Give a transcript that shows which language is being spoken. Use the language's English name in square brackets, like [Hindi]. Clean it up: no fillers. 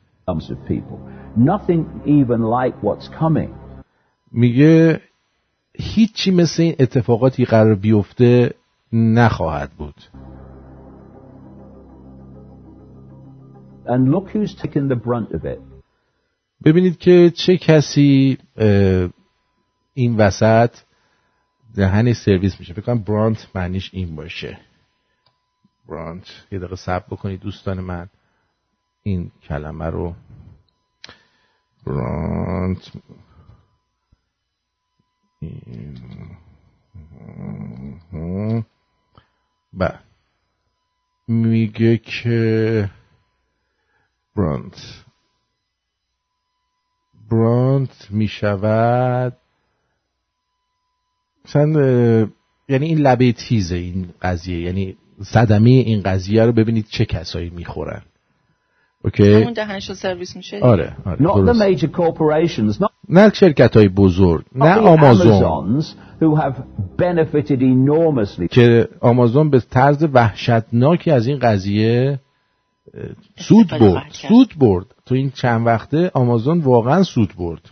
[English] Comes of people, nothing even like what's coming. [Persian] میگه هیچی مثل این اتفاقاتی قرار بیفته نخواهد بود. [English] And look who's taking the brunt of it. [Persian] ببینید که چه کسی این وسط دهنی سرویس میشه. فکر کنم برانت معنیش این باشه. برانت. یه دقیقه صبر بکنید دوستان من. این کلمه رو برانت با میگه که برانت می شود چند، یعنی این لبه تیزه این قضیه، یعنی صدمه این قضیه رو ببینید چه کسایی می خورن. اوکی. همون دهنشو سرویس میشه. آره. [English] Not the major corporations. [Persian] نه شرکت‌های بزرگ. نه آمازون. [English] Who have benefited enormously. [Persian] که آمازون به طرز وحشتناکی از این قضیه سود برد. سود برد. تو این چند وقته آمازون واقعا سود برد.